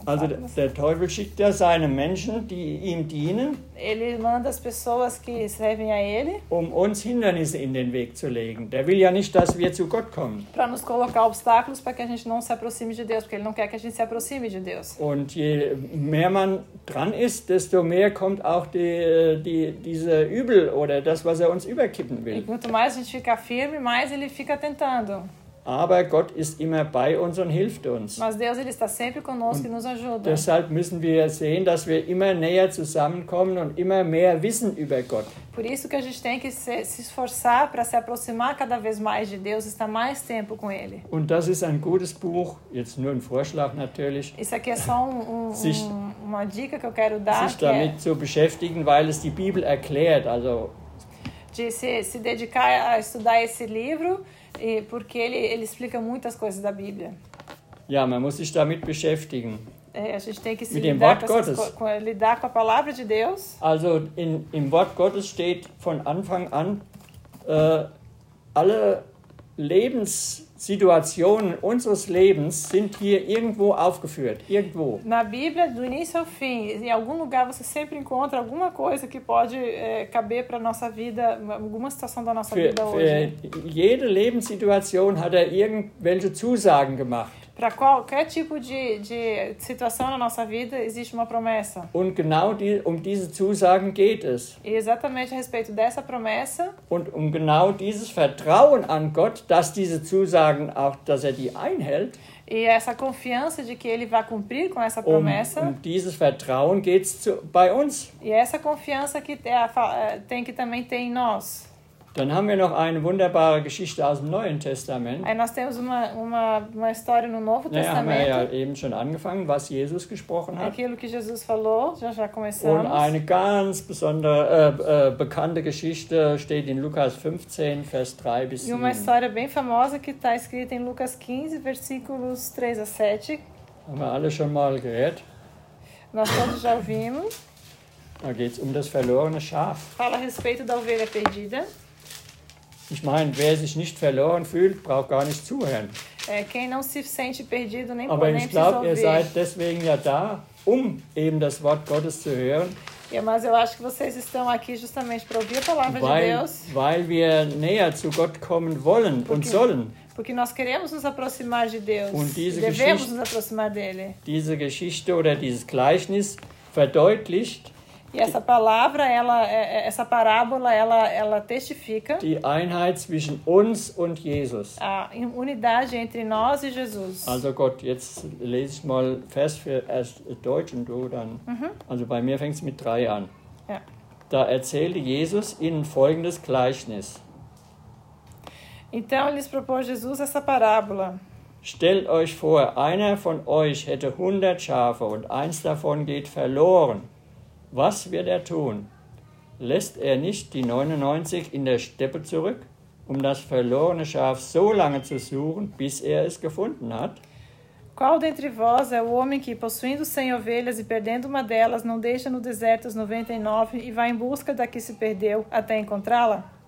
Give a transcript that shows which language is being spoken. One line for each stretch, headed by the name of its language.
German: Also der Teufel schickt ja seine Menschen, die ihm dienen.
Portuguese: Ele manda as pessoas que servem a ele.
German: Um uns Hindernisse in den Weg zu legen. Der will ja nicht, dass wir zu Gott kommen.
Portuguese: Para nos colocar obstáculos para que a gente não se aproxime de Deus, porque ele não quer que a gente se aproxime de Deus.
German: Und je mehr man dran ist, desto mehr kommt auch diese Übel oder das, was er uns überkippen will.
Portuguese: E quanto mais a gente fica firme, mais ele fica tentando.
German: Aber Gott ist immer bei uns und hilft uns.
Portuguese: Mas Deus ele está sempre conosco e nos ajuda.
German: Deshalb müssen wir sehen, dass wir immer näher zusammenkommen und immer mehr wissen über Gott.
Portuguese: Por isso que a gente tem que se esforçar para se aproximar cada vez mais de Deus, estar mais tempo com ele.
German: Und das ist ein gutes Buch, jetzt nur ein Vorschlag natürlich.
Portuguese: Isso aqui é só uma dica que eu quero dar.
German: Sich damit zu beschäftigen, weil es die Bibel erklärt, also
Portuguese: de se dedicar a estudar esse livro. E porque ele explica muitas coisas da Bíblia.
German: Ja, man muss sich damit beschäftigen.
Portuguese: A gente tem que se lidar com a palavra de Deus.
German: Also im Wort Gottes steht von Anfang an alle Lebenssituationen unseres Lebens sind hier irgendwo aufgeführt, irgendwo.
Portuguese: Na Bíblia do início ao fim, em algum lugar você sempre encontra alguma coisa que pode caber para nossa vida, alguma situação da nossa vida hoje.
German: Für jede Lebenssituation hat irgendwelche Zusagen gemacht.
Portuguese: Para qualquer tipo de situação na nossa vida existe uma promessa.
German: Und genau diese Zusagen geht es.
Portuguese: E exatamente a respeito dessa promessa.
German: Und genau dieses Vertrauen an Gott, dass diese Zusagen auch, dass die einhält.
Portuguese: E essa confiança de que ele vai cumprir com essa promessa.
German: Um dieses Vertrauen geht's bei uns.
Portuguese: E essa confiança que tem que também ter em nós.
German: Dann haben wir noch eine wunderbare Geschichte aus dem Neuen Testament.
Portuguese: Aí nós temos uma história no Novo Testamento.
German: Ja, haben wir ja eben schon angefangen, was Jesus gesprochen hat.
Portuguese: Aquilo que Jesus falou, já começamos.
German: Und eine ganz besondere, bekannte Geschichte steht in Lukas 15, Vers 3 bis 7.
Portuguese: E uma história bem famosa que está escrita em Lucas 15, versículos 3 a 7.
German: Haben wir alle schon mal gehört?
Portuguese: Nós todos já ouvimos.
German: Da geht's das verlorene Schaf.
Portuguese: Fala a respeito da ovelha perdida.
German: Ich meine, wer sich nicht verloren fühlt, braucht gar nicht zuhören.
Portuguese: Quem não se sente perdido nem
German: Aber ich glaube, ihr seid deswegen ja da, um eben das Wort Gottes zu hören.
Portuguese: Ja, mas eu acho que vocês estão aqui justamente para ouvir a palavra
German: weil,
Portuguese: de Deus.
German: Weil wir näher zu Gott kommen wollen
Portuguese: porque,
German: und sollen.
Portuguese: Porque nós queremos nos aproximar de Deus.
German: Und diese
Portuguese: devemos nos aproximar dele.
German: Diese Geschichte oder dieses Gleichnis verdeutlicht.
Portuguese: E essa palavra, ela, essa parábola, ela testifica.
German: Die Einheit zwischen uns und Jesus.
Portuguese: A unidade entre nós e Jesus.
German: Also Gott, jetzt lese ich mal Vers für erst Deutsch und du dann. Mhm. Also bei mir fängt es mit 3 an. Ja. Da erzählte Jesus ihnen folgendes Gleichnis.
Portuguese: Então lhes propôs Jesus essa parábola.
German: Stellt euch vor, einer von euch hätte 100 Schafe und eins davon geht verloren. Was wird er tun? Lässt er nicht die 99 in der Steppe zurück, um das verlorene Schaf so lange zu suchen, bis er es gefunden hat?
Portuguese: Qual dentre vós é o homem que, possuindo 100 ovelhas e perdendo uma delas, não deixa no deserto as 99 e vai em busca da que se perdeu até encontrá-la?